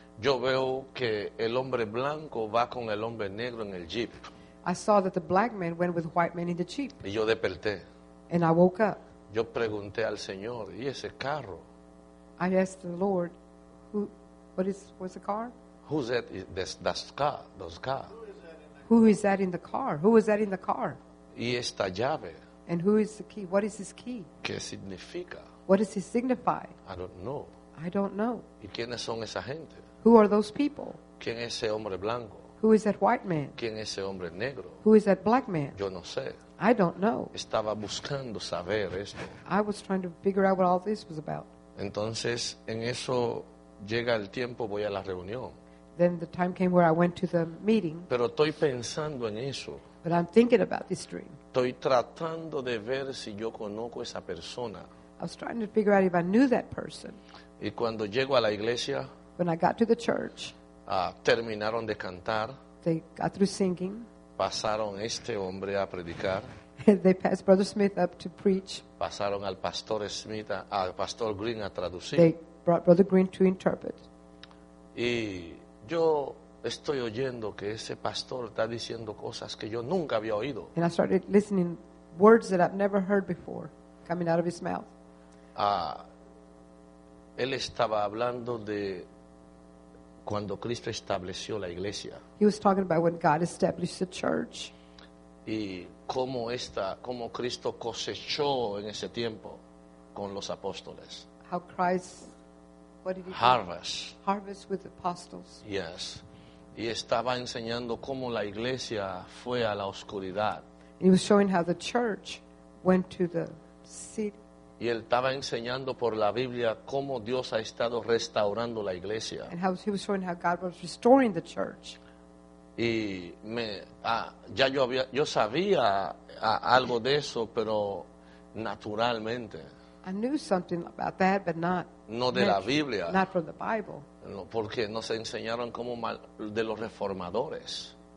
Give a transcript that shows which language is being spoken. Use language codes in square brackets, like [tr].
[es] Yo veo que el hombre blanco va con el hombre negro en el jeep. [en] I saw that the black man went with the white man in the jeep. [es] Y yo desperté. [en] And I woke up. [es] Yo pregunté al Señor, ¿y ese carro? [en] I asked the Lord, what's the car? Who's that? That's car. Those car. Who is that in the car? Who is that in the car? [es] Y esta llave. [en] And who is the key? What is this key? [es] ¿Qué significa? [en] What does it signify? I don't know. I don't know. [es] ¿Y quiénes son esa gente? [en] Who are those people? [es] ¿Quién es ese hombre blanco? [en] Who is that white man? [es] ¿Quién es ese hombre negro? [en] Who is that black man? [es] Yo no sé. [en] I don't know. [es] Estaba buscando saber esto. [en] I was trying to figure out what all this was about. [es] Entonces, en eso llega el tiempo, voy a la reunión. [en] Then the time came where I went to the meeting. [es] Pero estoy pensando en eso. [en] But I'm thinking about this dream. [es] Estoy tratando de ver si yo conozco esa persona. [en] I was trying to figure out if I knew that person. [es] Y cuando llego a la iglesia, [en] when I got to the church, [es] terminaron de cantar. [en] They got through singing. [es] Pasaron este hombre a predicar. [en] They passed Brother Smith up to preach. [es] Pasaron al Pastor Smith, al Pastor Green a traducir. [en] They brought Brother Green to interpret. [es] Y yo estoy oyendo que ese pastor está diciendo cosas que yo nunca había oído. [en] And I started listening words that I've never heard before coming out of his mouth. [es] Él estaba hablando de cuando Cristo estableció la iglesia. [en] He was talking about when God established the church. [es] Y cómo esta, cómo Cristo cosechó en ese tiempo con los apóstoles. [en] How Christ, what did he harvest. Do? Harvest with apostles. Yes. [es] Y estaba enseñando cómo la iglesia fue a la oscuridad. [en] And he was showing how the church went to the city. [es] Y él estaba enseñando por la Biblia cómo Dios ha estado restaurando la iglesia. [en] And how he was showing how God was restoring the church. [es] Y me, ya yo había, yo sabía algo de eso, pero naturalmente. [en] I knew something about that, but not. [es] No de la Biblia. [en] Not from the Bible. [es] No, porque nos enseñaron como mal, de los reformadores.